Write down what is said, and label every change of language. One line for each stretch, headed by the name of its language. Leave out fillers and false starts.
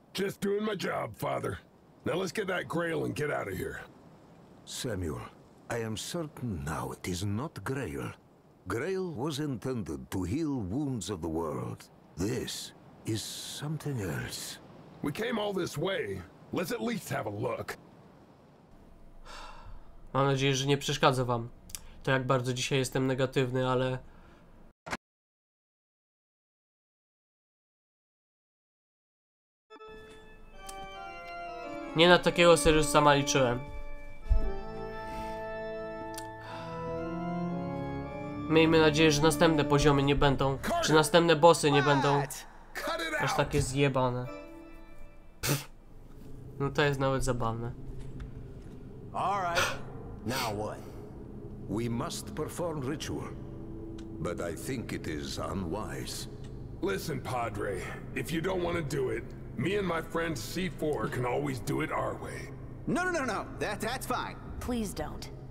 English: Just doing my job, Father. Now let's get that Grail and get out of here. Samuel, I am certain now it is not Grail. Grail was intended to heal wounds of the world. This is something else. We came all this way. Let's at least have a look.
Polish: Mam nadzieję, że nie przeszkadza wam to, jak bardzo dzisiaj jestem negatywny, ale... Nie na takiego serwisu sama liczyłem. Miejmy nadzieję, że następne poziomy nie będą, czy następne bossy nie będą aż takie zjebane. Pff. No to jest nawet zabawne.
English: Now what? We must perform ritual, but I think it is unwise. Listen, Padre, if you don't want to do it, me and my friend C4 can always do it our way. No, that's fine. Please don't.